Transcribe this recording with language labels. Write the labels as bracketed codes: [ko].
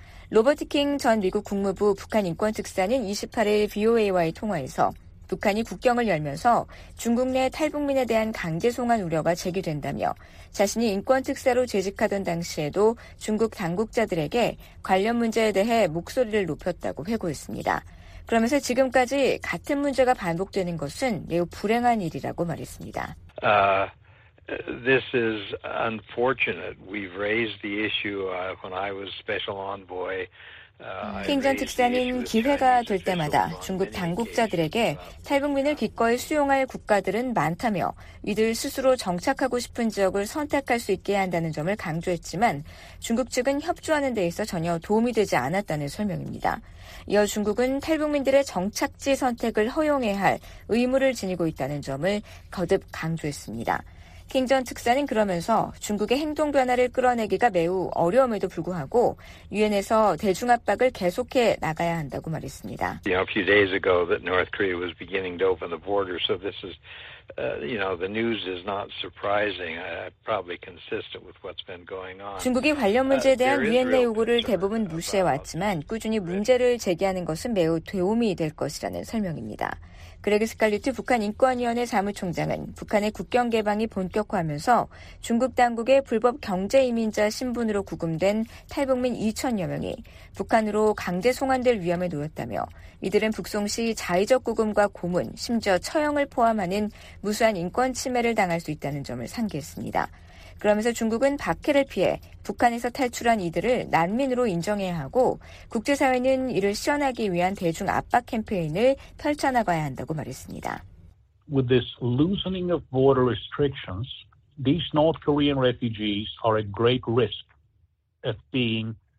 [ko] 로버트 킹 전 미국 국무부 북한인권특사는 28일 VOA와의 통화에서 북한이 국경을 열면서 중국 내 탈북민에 대한 강제 송환 우려가 제기된다며 자신이 인권특사로 재직하던 당시에도 중국 당국자들에게 관련 문제에 대해 목소리를 높였다고 회고했습니다. 그러면서 지금까지 같은 문제가 반복되는 것은 매우 불행한 일이라고 말했습니다. [en] This is unfortunate. We've raised the issue when I was special envoy. [ko] 킹 전 특사는 기회가 될 때마다 중국 당국자들에게 탈북민을 기꺼이 수용할 국가들은 많다며 이들 스스로 정착하고 싶은 지역을 선택할 수 있게 한다는 점을 강조했지만 중국 측은 협조하는 데 있어 전혀 도움이 되지 않았다는 설명입니다. 이어 중국은 탈북민들의 정착지 선택을 허용해야 할 의무를 지니고 있다는 점을 거듭 강조했습니다. 킹 전 특사는 그러면서 중국의 행동 변화를 끌어내기가 매우 어려움에도 불구하고 유엔에서 대중 압박을 계속해 나가야 한다고 말했습니다. [en] You know, a few days ago that North Korea was beginning to open the border, so this is, you know, the news is not surprising. Probably consistent with what's been going on. [ko] 중국이 관련 문제에 대한 유엔의 요구를 대부분 무시해 왔지만 꾸준히 문제를 제기하는 것은 매우 도움이 될 것이라는 설명입니다. 그레그 스칼리트 북한인권위원회 사무총장은 북한의 국경 개방이 본격화하면서 중국 당국의 불법 경제이민자 신분으로 구금된 탈북민 2천여 명이 북한으로 강제 송환될 위험에 놓였다며 이들은 북송 시 자의적 구금과 고문, 심지어 처형을 포함하는 무수한 인권 침해를 당할 수 있다는 점을 상기했습니다. 그러면서 중국은 박해를 피해 북한에서 탈출한 이들을 난민으로 인정해야 하고 국제사회는 이를 시현하기 위한 대중 압박 캠페인을 펼쳐나가야 한다고 말했습니다. [en] With this loosening of border restrictions, these North Korean refugees are at great risk of being